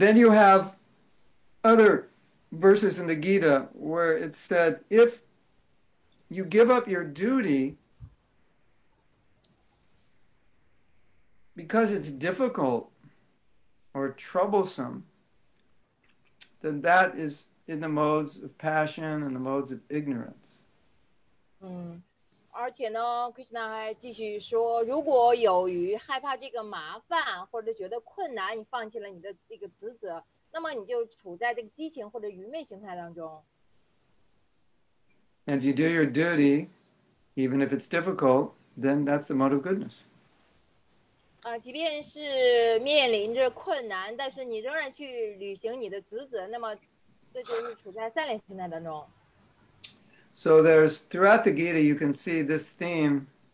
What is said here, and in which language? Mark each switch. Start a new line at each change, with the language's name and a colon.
English: then you have other verses in the Gita where it said, if you give up your duty because it's difficult or troublesome, then that is in the modes of passion and the modes of ignorance.
Chinese: 而且呢, Krishna 还继续说, 如果有余, 害怕这个麻烦, 或者觉得困难, 你放弃了你的这个职责, 那么你就处在这个激情或者愚昧形态当中。
English: And if you do your duty, even if it's difficult, then that's the mode of goodness.
Chinese: 即便是面临着困难, 但是你仍然去履行你的职责, 那么这就是处在善良形态当中。
English: So there's, throughout the Gita, you can see this theme.